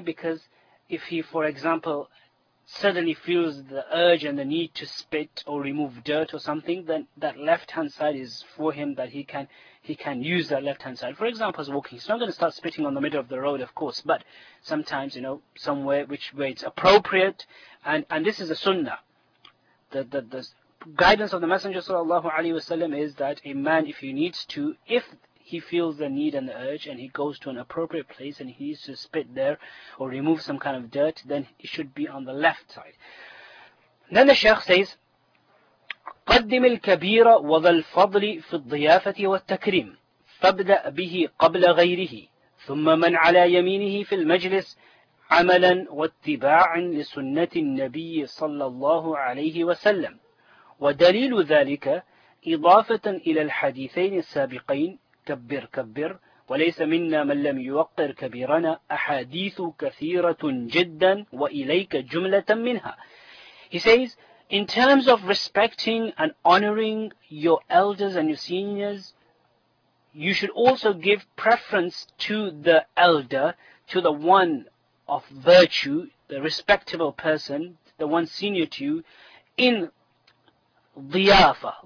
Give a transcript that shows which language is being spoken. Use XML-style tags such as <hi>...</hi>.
<en>Because if he, for example, suddenly feels the urge and the need to spit or remove dirt or something, then that left hand side is for him, that he can use that left hand side. For example, as walking, he's not going to start spitting on the middle of the road, of course, but sometimes, you know, somewhere where it's appropriate, and this is a sunnah. The guidance of the Messenger sallallahu alaihi wasallam is that a man, if he feels the need and the urge, and he goes to an appropriate place and he needs to spit there or remove some kind of dirt, then it should be on the left side. Then the Sheikh says,</en> <ar>قَدِّمِ الْكَبِيرَ وَذَا الْفَضْلِ فِي الضِّيَافَةِ وَالتَّكْرِيمِ فَابْدَأْ بِهِ قَبْلَ غَيْرِهِ ثُمَّ مَنْ عَلَى يَمِينِهِ فِي الْمَجْلِسِ عَمَلًا وَاتِّبَاعًا لِسُنَّةِ النَّبِيِّ صَلَّى اللَّهُ عَلَيْهِ وَسَلَّمَ وَدَلِيلُ ذَلِكَ إِضَافَةً إِلَى الْحَدِيثَيْنِ السَّابِقَيْنِ كبر كبر وليس منا من لم يوقر كبيرنا أحاديث كثيرة جدا وإليك جملة منها.</ar> <en>He says, in terms of respecting and honoring your elders and your seniors, you should also give preference to the elder, to the one of virtue, the respectable person, the one senior to you, in Diyafa.</en>